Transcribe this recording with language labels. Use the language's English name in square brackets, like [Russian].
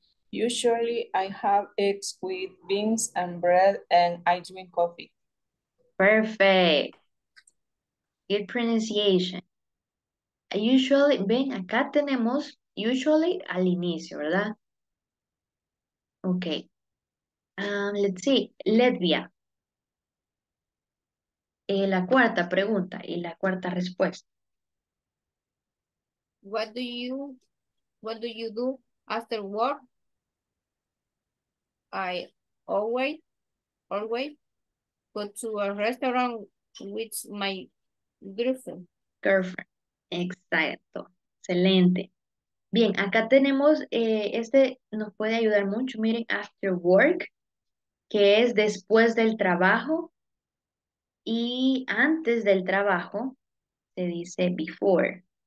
[English] Usually I have eggs with beans and bread and I drink coffee. Perfecto. Good pronunciation. [Spanish] Usually, ven, acá tenemos usually al inicio, ¿verdad? Ok. [English] Let's see, Letvia. [Spanish] La cuarta pregunta y la cuarta respuesta. [English] What do you do after work? I always go to a restaurant with my girlfriend. [Spanish] Perfecto. Exacto. Excelente. Bien, acá tenemos, este nos puede ayudar mucho. Miren, after work, que es después del trabajo y antes del trabajo, se dice before.